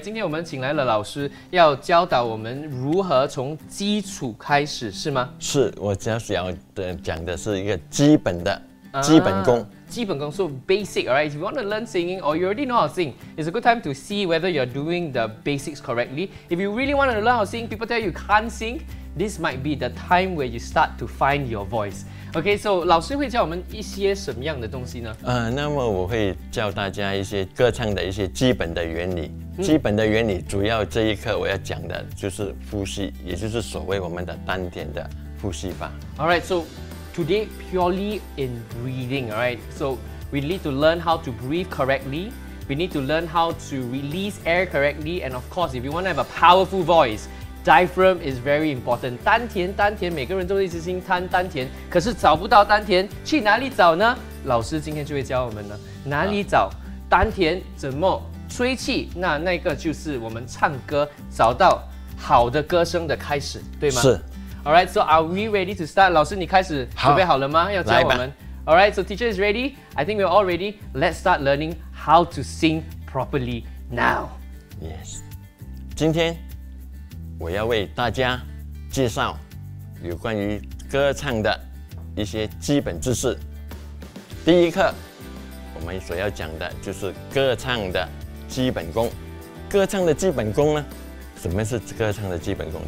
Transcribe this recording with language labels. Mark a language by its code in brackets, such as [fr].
[zh] 今天我们请来了老师要教导我们如何从基础开始，是吗？是，我今天要讲的是一个基本的基本功。 [en] 基本功 so basic, alright? If you want to learn singing or you already know how to sing, it's a good time to see whether you're doing the basics correctly. If you really want to learn how to sing, people tell you you can't sing, this might be the time where you start to find your voice. [zh] Okay, so 老师会教我们一些什么样的东西呢？那么我会教大家一些歌唱的一些基本的原理。基本的原理主要这一课我要讲的就是呼吸，也就是所谓我们的丹田的呼吸法。 [en] Alright, so. Today, purely in breathing, alright? So, we need to learn how to breathe correctly. We need to learn how to release air correctly. And of course, if you want to have a powerful voice, diaphragm is very important. [zh] 丹田，丹田，每个人都一直心叹丹田，可是找不到丹田，去哪里找呢？老师今天就会教我们了。哪里找丹田？怎么吹气？那个就是我们唱歌找到好的歌声的开始，对吗？是。 [en] Alright, so are we ready to start? [zh] 老师，你开始准备好了吗？要教我们。 [en] Alright, so teacher is ready. I think we're all ready. Let's start learning how to sing properly now. Yes. [zh] 今天我要为大家介绍有关于歌唱的一些基本知识。第一课我们所要讲的就是歌唱的基本功。歌唱的基本功呢？什么是歌唱的基本功？